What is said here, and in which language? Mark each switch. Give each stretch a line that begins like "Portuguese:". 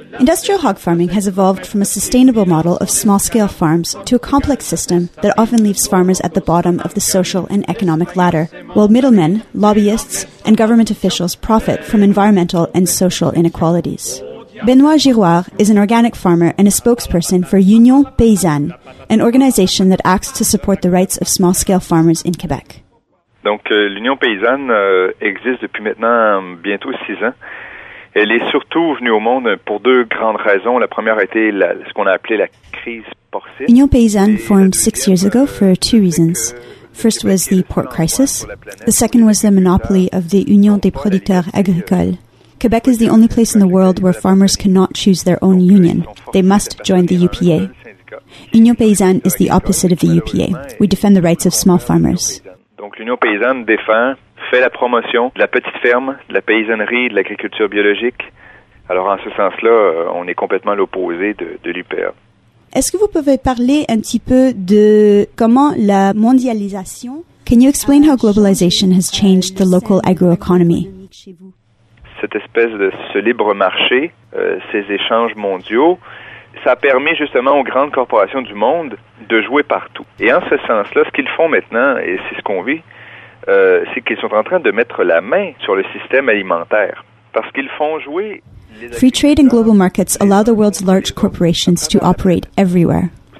English: Industrial hog farming has evolved from a sustainable model of small-scale farms to a complex system that often leaves farmers at the bottom of the social and economic ladder, while middlemen, lobbyists, and government officials profit from environmental and social inequalities. Benoît Girouard is an organic farmer and a spokesperson for Union Paysanne, an organization that acts to support the rights of small-scale farmers in Quebec.
French: Donc, l'Union Paysanne existe depuis maintenant bientôt 6 ans. Elle est surtout venue au monde pour 2 grandes raisons. La première a été ce qu'on a appelé la crise porcine.
English: Union Paysanne formed 6 years ago for 2 reasons. First was the pork crisis. The second was the monopoly of the Union des producteurs agricoles. Quebec is the only place in the world where farmers cannot choose their own union. They must join the UPA. Union Paysanne is the opposite of the UPA. We defend the rights of small farmers.
French: Donc l'Union Paysanne défend, fait la promotion de la petite ferme, de la paysannerie, de l'agriculture biologique. Alors en ce sens-là, on est complètement l'opposé de l'UPA. Est-ce que vous pouvez parler un petit peu de comment la mondialisation...
English: Can you explain how globalization has changed the local agroeconomy?
French: Cette espèce de ce libre marché, ces échanges mondiaux, ça permet justement aux grandes corporations du monde de jouer partout. Et en ce sens-là, ce qu'ils font maintenant, et c'est ce qu'on vit, c'est qu'ils sont en train de mettre la main sur le système alimentaire. Parce qu'ils font jouer...
English: Free trade and global markets allow the world's large corporations to operate everywhere.